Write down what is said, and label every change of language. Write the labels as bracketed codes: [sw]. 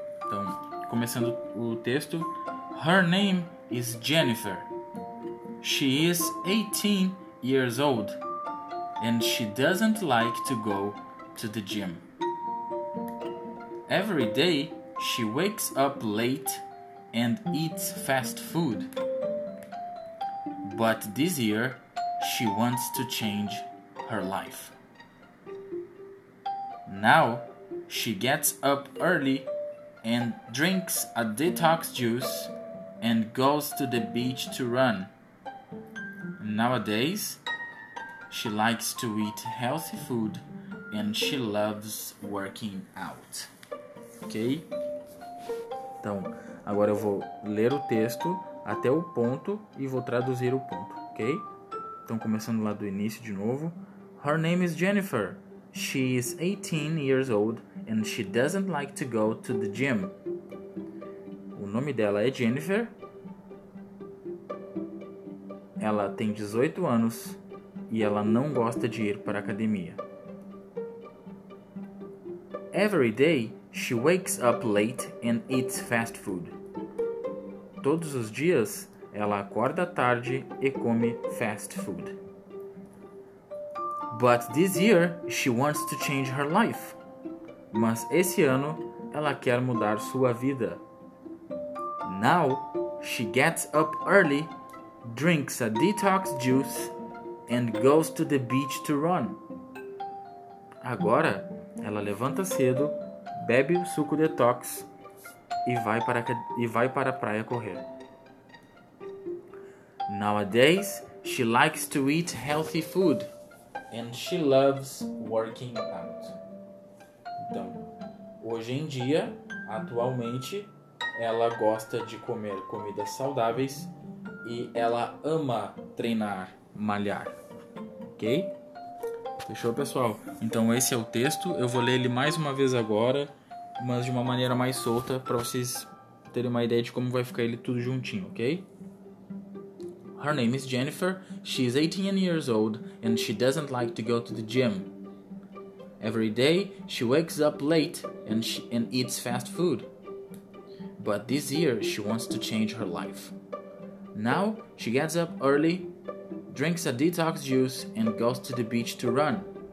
[pt] Então, começando o texto: [en] Her name is Jennifer. She is 18 years old. And she doesn't like to go to the gym. Every day, she wakes up late and eats fast food. But this year, she wants to change her life. Now, she gets up early and drinks a detox juice and goes to the beach to run. Nowadays, she likes to eat healthy food and she loves working out. Ok? [pt] Então, agora eu vou ler o texto até o ponto e vou traduzir o ponto, ok? Então, começando lá do início de novo. [en] Her name is Jennifer. She is 18 years old and she doesn't like to go to the gym. [pt] O nome dela é Jennifer. Ela tem 18 anos e ela não gosta de ir para a academia. [en] Every day, she wakes up late and eats fast food. [pt] Todos os dias, ela acorda tarde e come fast food. [en] But this year, she wants to change her life. [pt] Mas esse ano, ela quer mudar sua vida. [en] Now, she gets up early, drinks a detox juice, and goes to the beach to run. [pt] Agora, ela levanta cedo, bebe o suco detox e vai para a praia correr. [en] Nowadays, she likes to eat healthy food and she loves working out. [pt] Então, hoje em dia, atualmente, ela gosta de comer comidas saudáveis e ela ama treinar, malhar. Ok? Fechou, pessoal? Então, esse é o texto. Eu vou ler ele mais uma vez agora, mas de uma maneira mais solta, para vocês terem uma ideia de como vai ficar ele tudo juntinho, ok? [en] Her name is Jennifer. She is 18 years old and she doesn't like to go to the gym. Every day, she wakes up late and eats fast food. But this year, she wants to change her life. Now, she gets up early, drinks a detox juice and goes to the beach to run.